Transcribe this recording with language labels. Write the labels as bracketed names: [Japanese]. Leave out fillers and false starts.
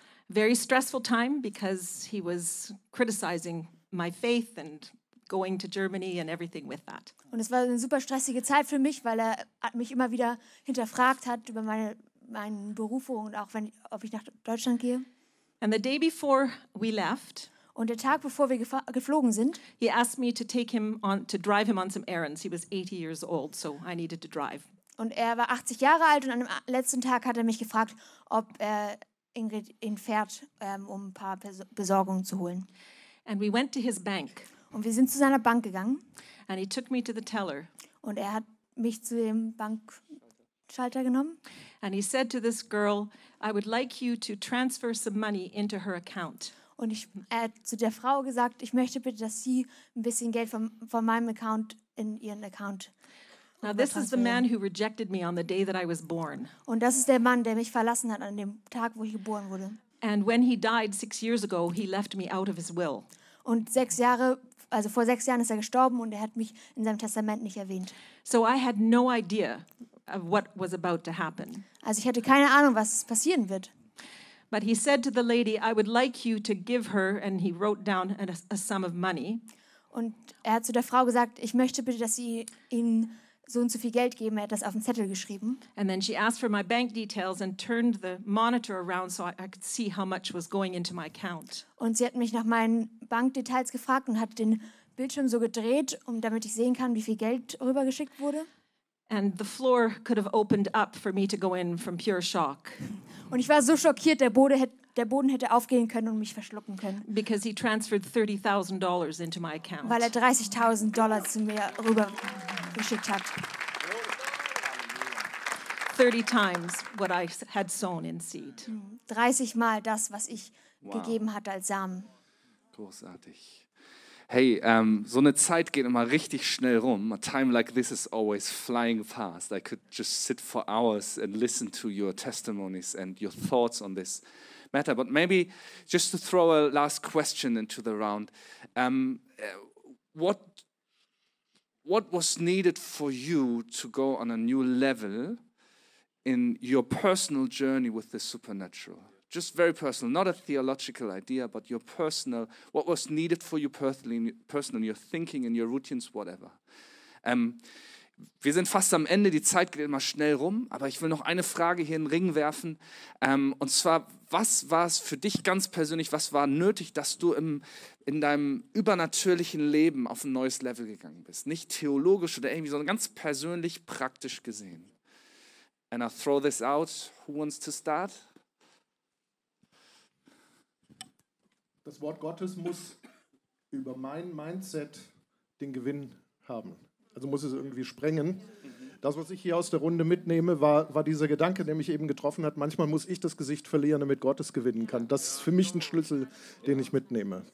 [English] Very stressful time because he was criticizing my faith and going to Germany and everything with that. [German] Und es war eine super stressige Zeit für mich, weil er mich immer wieder hinterfragt hat über meine Berufung und auch ob ich nach Deutschland gehe. [English] And the day before we left, [German] und der Tag bevor wir geflogen sind, [English] he asked me to take him on to drive him on some errands. He was 80 years old, so I needed to drive. [German] Und er war 80 Jahre alt, und an dem letzten Tag hat er mich gefragt, ob er Ingrid ihn fährt, um ein paar Besorgungen zu holen. [English] And we went to his bank. [German] Und wir sind zu seiner Bank gegangen. [English] And he took me to the teller. [German] Und er hat mich zu dem Bankschalter genommen. [English] And he said to this girl, I would like you to transfer some money into her account. [German] Und er hat zu der Frau gesagt, ich möchte bitte, dass sie ein bisschen Geld von meinem Account in ihren Account. [English] Now this is the man who rejected me on the day that I was born. [German] Und das ist der Mann, der mich verlassen hat an dem Tag, wo ich geboren wurde. [English] And when he died 6 years ago, he left me out of his will. [German] Und vor 6 Jahren ist er gestorben, und er hat mich in seinem Testament nicht erwähnt. [English] So I had no idea of what was about to happen. [German] Also ich hatte keine Ahnung, was passieren wird. [English] But he said to the lady, I would like you to give her, and he wrote down a sum of money. [German] Und er hat zu der Frau gesagt, ich möchte bitte, dass sie ihn so und so viel Geld geben. Er hat das auf einen Zettel geschrieben. [English] And then she asked for my bank details and turned the monitor around so I could see how much was going into my account. [German] Und sie hat mich nach meinen Bankdetails gefragt und hat den Bildschirm so gedreht, damit ich sehen kann, wie viel Geld rübergeschickt wurde. [English] And the floor could have opened up for me to go in from pure shock. [German] Und ich war so schockiert, der Boden hätte aufgehen können und mich verschlucken können. [English] Because he transferred $30,000 into my account. [German] Weil er $30,000 zu mir rüber geschickt hat. [English] 30 times what I had sown in seed. [German] 30 mal das, was ich gegeben hatte als Samen. Großartig. Hey, so eine Zeit geht immer richtig schnell rum. [English] A time like this is always flying fast. I could just sit for hours and listen to your testimonies and your thoughts on this. matter. But maybe just to throw a last question into the round, what was needed for you to go on a new level in your personal journey with the supernatural? Just very personal, not a theological idea, but your personal, what was needed for you personally, your thinking and your routines, whatever. [German] Wir sind fast am Ende, die Zeit geht immer schnell rum, aber ich will noch eine Frage hier in den Ring werfen. Und zwar, was war es für dich ganz persönlich, was war nötig, dass du in deinem übernatürlichen Leben auf ein neues Level gegangen bist? Nicht theologisch oder irgendwie, sondern ganz persönlich, praktisch gesehen. [English] And I throw this out, who wants to start? [German] Das Wort Gottes muss über mein Mindset den Gewinn haben. Also muss es irgendwie sprengen. Das, was ich hier aus der Runde mitnehme, war dieser Gedanke, der mich eben getroffen hat. Manchmal muss ich das Gesicht verlieren, damit Gott es gewinnen kann. Das ist für mich ein Schlüssel, den ich mitnehme.